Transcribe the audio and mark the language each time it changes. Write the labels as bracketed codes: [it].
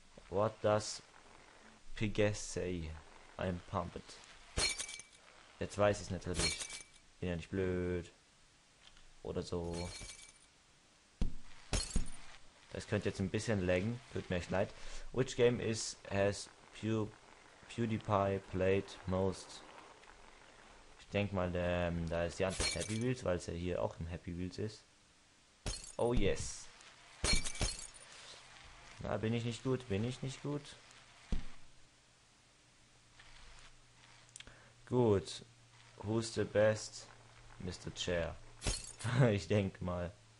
[en] What does Pigas say? I'm pumped. [de] Jetzt weiß ich es natürlich. Bin ja nicht blöd. Oder so. Das könnte jetzt ein bisschen laggen. Tut mir echt leid. [en] Which game is has PewDiePie played most? [de] Ich denke mal, da ist die Antwort Happy Wheels, weil es ja hier auch im Happy Wheels ist. [en] Oh yes. [de] Na, bin ich nicht gut? Bin ich nicht gut? Gut. [en] Who's the best, Mr. Chair? [de] Ich denke mal.